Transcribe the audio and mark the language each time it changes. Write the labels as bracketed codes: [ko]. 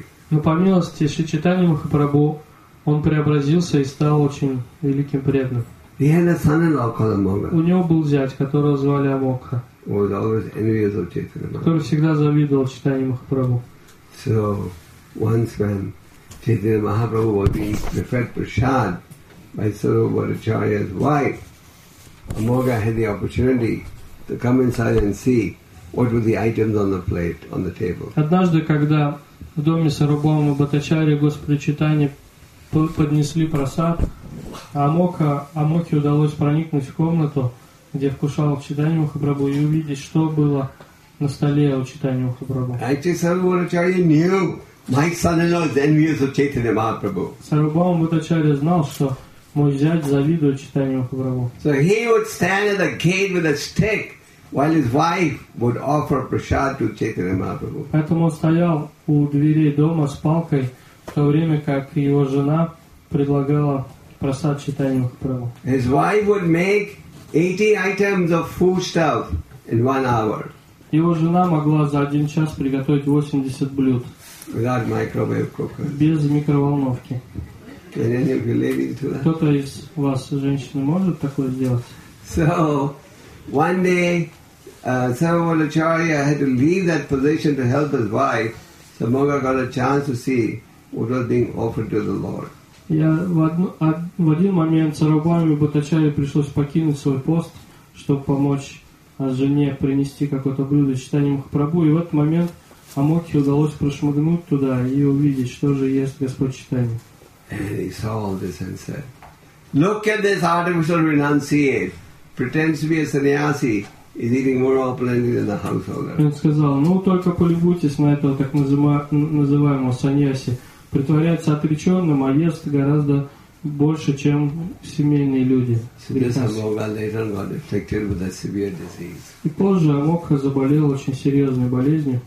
[ru] Но по милости Шри Чайтанья Махапрабху он преобразился и стал очень великим преданным. [en] He had a son-in-law called Amogha. [ru] У него был зять, которого звали Амогха, который всегда завидовал Шри Чайтанья Махапрабху. [en] So, once when Chaitanya Mahaprabhu was being preferred prasad by Sarvabhauma Acharya's wife, Amogha had the opportunity to come inside and see what were the items on the plate, on the table. [ru] Однажды, когда в доме Сарвабхаума Бхаттачарьи Господа Чайтаньи поднесли прасад, Амогхе удалось проникнуть в комнату, где вкушал Чайтанья Махапрабху, и увидеть, что было на столе у Чайтанья Махапрабху. [en] Actually, Sarvabhauma Acharya knew my son-in-law is envious of Chaitanya Mahaprabhu. [ru] Сарвабхаума Бхаттачарья знал, что мой зять завидует Чайтанья Махапрабху. [en] So he would stand at the gate with a stick while his wife would offer prasad to Chaitanya Mahaprabhu. [ru] Поэтому он стоял у дверей дома с палкой, в то время как его жена предлагала прасад Чайтанья Махапрабху. [en] His wife would make 80 items of foodstuff in 1 hour. [ru] Его жена могла за 1 час приготовить 80 блюд. [en] Without microwave cooker. [ru] Без микроволновки. [en] Can any of you live into that? [ru] Кто-то из вас, женщины, может такое сделать? [en] So, one day, Sarvabhauma Acharya had to leave that position to help his wife. So Amogha got a chance to see what was being offered to the Lord. [ru] В один момент Сарвабхаума Бхаттачарье пришлось покинуть свой пост, чтобы помочь жене принести какое-то блюдо Чайтанья Махапрабху. И в этот момент Амогхе удалось прошмыгнуть туда и увидеть, что же ест Господь Чайтанья. [en] And he saw all this and said, look at this artificial renunciate. Pretends to be a sannyasi. He's eating more opulently than the householder. [ru] Он сказал, ну только полюбуйтесь на этого так называемого саньяси. Притворяется отреченным, а ест гораздо больше, чем семейные люди. И позже Амокха заболел очень серьезной болезнью.